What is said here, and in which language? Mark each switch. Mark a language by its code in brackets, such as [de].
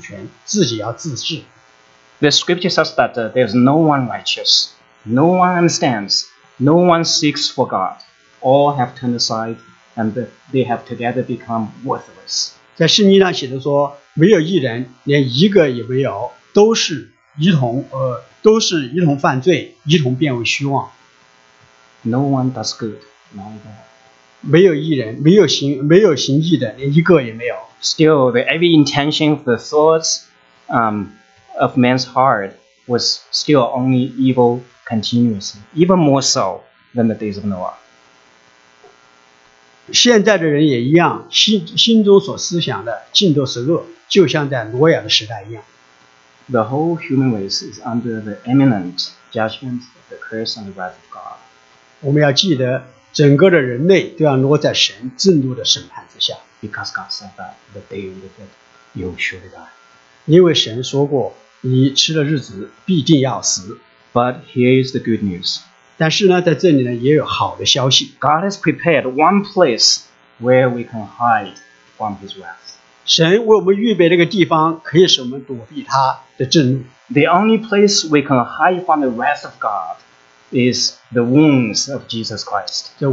[zh] 亚当的后裔,就是现在所有的人,他们想要做的事情就像亚当当初所要做的事情一样,他们就是要挣脱神的主权,自己要有主权,自己要自治。The [en] scripture says that there is no one righteous. No one understands, no one seeks for God. All have turned aside, and they have together become worthless. [zh] 在圣经上写的说,没有义人,连一个也没有,都是一同犯罪,一同变为虚妄。No [en] one does good, not at all. [zh] 没有义人,没有行义的,连一个也没有。Still, [en] every intention of the thoughts of man's heart was still only evil, continuously, even more so than the days of Noah. [zh] 现在的人也一样,心中所思想的尽都是恶,就像在挪亚的时代一样。 [en] the whole human race is under the imminent judgment of the curse and the wrath of God. [zh] 我们要记得, 整个的人类都要落在神震怒的审判之下, [en] because God said that the day of the dead, you surely die. [zh] 因为神说过, 你吃了日子, 必定要死。 [en] But here is the good news. [zh] 但是呢, 在这里呢, 也有好的消息。 [en] God has prepared one place where we can hide from his wrath. [zh] 神为我们预备那个地方, 可以使我们躲避他的震怒。 [en] The only place we can hide from the wrath of God is the wounds of Jesus Christ.